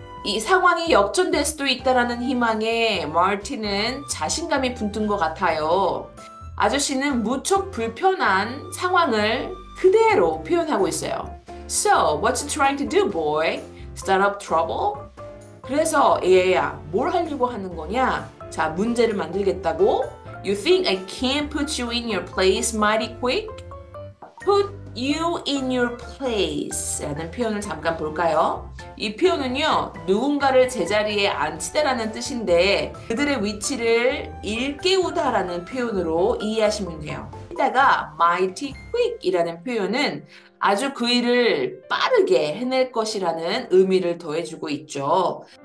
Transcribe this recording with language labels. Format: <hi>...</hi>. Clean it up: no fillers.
<ko>이 상황이 역전될 수도 있다는 희망에 마틴은 자신감이 붙은 것 같아요. 아저씨는 무척 불편한 상황을 그대로 표현하고 있어요.</ko> <en>So, what you trying to do, boy? Start up trouble?</en> <ko>그래서 얘야, 뭘 하려고 하는 거냐? 자, 문제를 만들겠다고?</ko> <en>You think I can't put you in your place mighty quick? Put you in your place</en> <ko>라는 표현을 잠깐 볼까요? 이 표현은요, 누군가를 제자리에 앉히다라는 뜻인데 그들의 위치를 일깨우다라는 표현으로 이해하시면 돼요. 이따가 mighty quick이라는 표현은 아주 그 일을 빠르게 해낼 것이라는 의미를 더해주고 있죠.</ko>